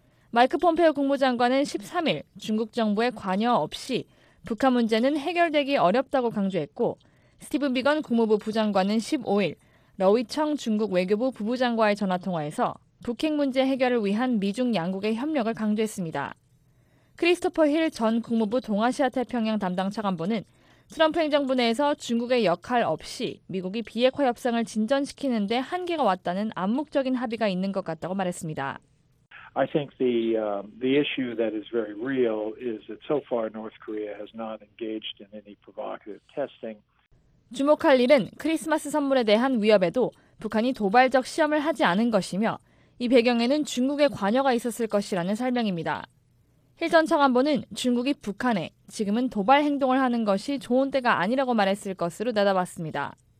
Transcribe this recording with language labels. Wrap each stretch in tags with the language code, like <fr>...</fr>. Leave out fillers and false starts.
<ko>마이크 폼페오 국무장관은 13일 중국 정부의 관여 없이 북한 문제는 해결되기 어렵다고 강조했고 스티브 비건 국무부 부장관은 15일 러위청 중국 외교부 부부장과의 전화통화에서 북핵 문제 해결을 위한 미중 양국의 협력을 강조했습니다. 크리스토퍼 힐 전 국무부 동아시아 태평양 담당 차관보는 트럼프 행정부 내에서 중국의 역할 없이 미국이 비핵화 협상을 진전시키는 데 한계가 왔다는 암묵적인 합의가 있는 것 같다고 말했습니다.</ko> <en>I think the issue that is very real is that so far North Korea has not engaged in any provocative testing.</en> <ko>주목할 일은 크리스마스 선물에 대한 위협에도 북한이 도발적 시험을 하지 않은 것이며 이 배경에는 중국의 관여가 있었을 것이라는 설명입니다. 힐 전 차관보는 중국이 북한에 지금은 도발 행동을 하는 것이 좋은 때가 아니라고 말했을 것으로 내다봤습니다.</ko>